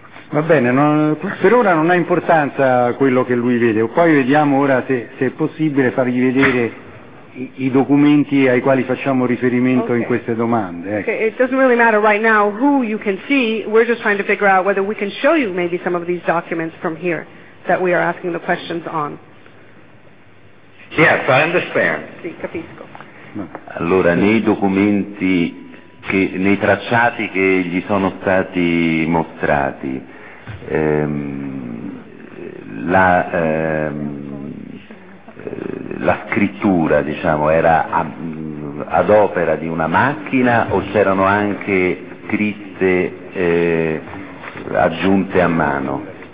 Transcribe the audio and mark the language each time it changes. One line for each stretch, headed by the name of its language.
Italian: Va bene, per ora non ha importanza quello che lui vede. Poi vediamo ora se è possibile fargli vedere i documenti ai quali facciamo riferimento okay. In queste domande. Ecco.
English: Okay, it doesn't really matter right now who you can see. We're just trying to figure out whether we can show you maybe some of these documents from here that we are asking the questions on. Yes, I understand.
Italian: Sì, capisco. Allora, nei documenti, nei tracciati che gli sono stati mostrati, la scrittura, diciamo, era ad opera di una macchina o c'erano anche scritte aggiunte a mano?